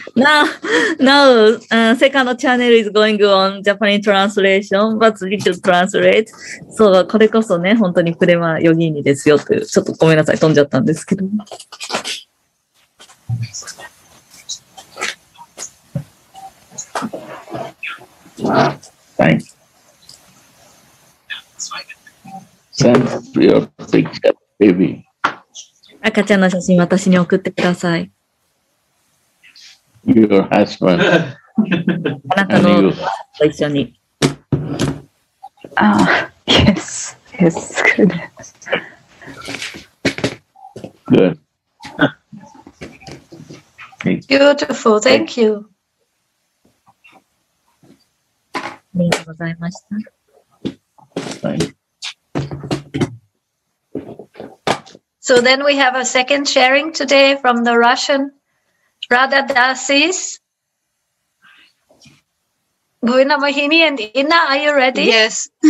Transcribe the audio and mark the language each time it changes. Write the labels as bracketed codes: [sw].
[en] Now, second channel is going on Japanese translation, but we should translate. [ja] So, これこそね、本当にプレマヨギーニですよという、ちょっとごめんなさい、飛んじゃったんですけど。 [en] Thanks. Send your picture, baby. [ja] 赤ちゃんの写真私に送ってください。 [en] Your husband. [ja] あなたの夫と一緒に。 [en] ああ、yes, yes, good. Good. Beautiful, thank you. [ja] ありがとうございました。はい。 [en] So then we have a second sharing today from the Russian Radha Dasis. Guina Mohini and Inna, are you ready? Yes.